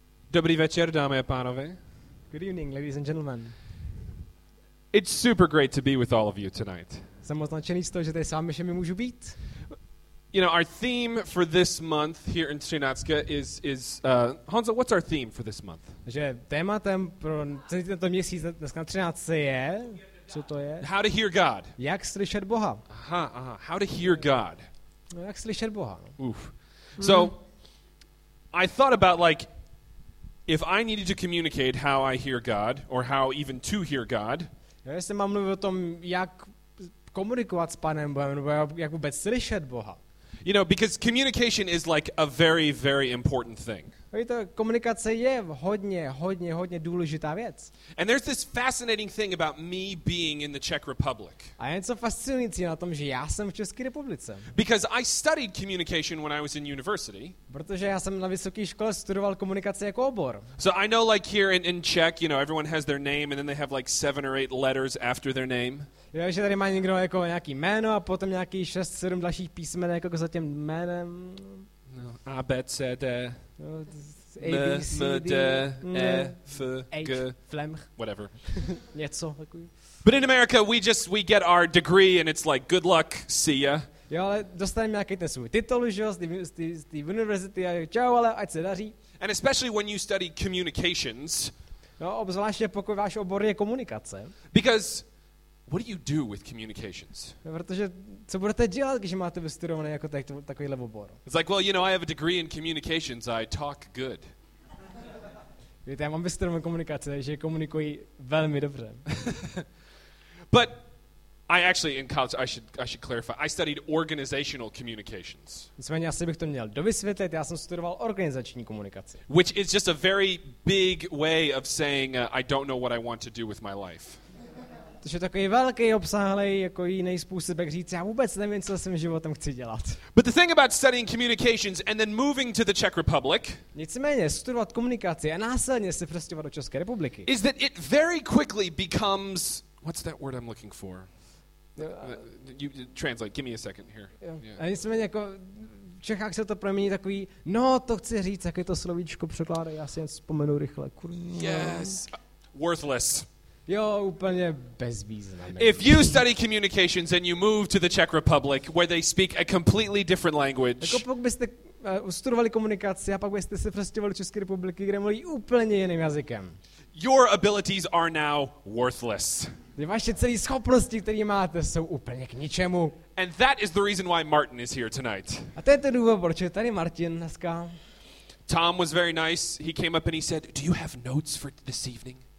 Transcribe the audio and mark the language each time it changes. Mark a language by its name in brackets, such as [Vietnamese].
[Czech] Dobrý večer, dámy a pánové. [English] Good evening, ladies and gentlemen. It's super great to be with all of you tonight. [Czech] Jsem moc nadšený z toho, že tady s vámi všemi můžu být. [English] You know, our theme for this month here in Třinácké is Honzo, what's our theme for this month? [Czech] Že tématem pro tento měsíc dneska na Třinácce je... Co to je? [English] How to hear God. [Czech] Jak slyšet Boha. [English] Aha. How to hear God. [Czech] No, jak slyšet Boha. Oof. [English] So, I thought about, like, if I needed to communicate how I hear God, or how even to hear God. [Czech] Já jestli mám mluvit o tom, jak komunikovat s Panem Bohem, nebo jak vůbec slyšet Boha. [English] You know, because communication is like a very, very important thing. [Czech] Víte, komunikace je hodně, hodně, hodně důležitá věc. [English] And there's this fascinating thing about me being in the Czech Republic. [Czech] A je něco fascinující na tom, že já jsem v České republice. [English] Because I studied communication when I was in university. [Czech] Protože já jsem na vysoké škole studoval komunikaci jako obor. [English] So I know, like, here in Czech, you know, everyone has their name and then they have like 7 or 8 letters after their name. [Czech] Jo, že tady má někdo jako nějaký jméno a potom nějaký 6-7 dalších písmen jako za tím jménem. No, A, B, C, D, no, A, B, C, M, D, E, F, G, Flemch. [English] Whatever. [Czech] Něco takový. [English] But in America, we get our degree and it's like, good luck, see ya. [Czech] Jo, ale dostaneme nějaký ten svůj titul, že jo, z té univerzity a čau, ale ať se daří. [English] And especially when you study communications. [Czech] No, obzvláště pokud váš obor je komunikace. [English] Because... What do you do with communications? [Czech] Protože co budete dělat, když máte vystudované jako takovýhle obor? [English] It's like, well, you know, I have a degree in communications, I talk good. [Czech] Víte, já mám vystudované komunikace, takže komunikuji velmi dobře. [English] But I actually, in college, I should clarify, I studied organizational communications. [Czech] Nicméně, asi bych to měl dovysvětlit, já jsem studoval organizační komunikaci. [English] Which is just a very big way of saying, I don't know what I want to do with my life. [Czech] To je takový velký obsáhlej jako jiný způsob, jak říct, já vůbec nevím, co se svým životem chci dělat. [English] But the thing about studying communications and then moving to the Czech Republic. [Czech] Nicméně studovat komunikaci a následně se přestěhovat do České republiky. [English] Is that it very quickly becomes, what's that word I'm looking for? You translate, give me a second here. [Czech] Yeah. A nicméně jako v Čechách se to promění takový, no to chci říct, jak je to slovíčko překládá, já si jen vzpomenu rychle. [English] Yes. Worthless. [Czech] Jo, úplně bezvýznamný. [English] If you study communications and you move to the Czech Republic where they speak a completely different language. [Czech] Jako pokud byste studovali komunikaci a pak byste se přestěhovali do České republiky, kde mluví úplně jiným jazykem. [English] Your abilities are now worthless. [Czech] Vaše celé schopnosti, které máte, jsou úplně k ničemu. [English] And that is the reason why Martin is here tonight. [Czech] A to je ten důvod, proč je tady Martin dneska. [English] Tom was very nice. He came up and he said, "Do you have notes for this evening?"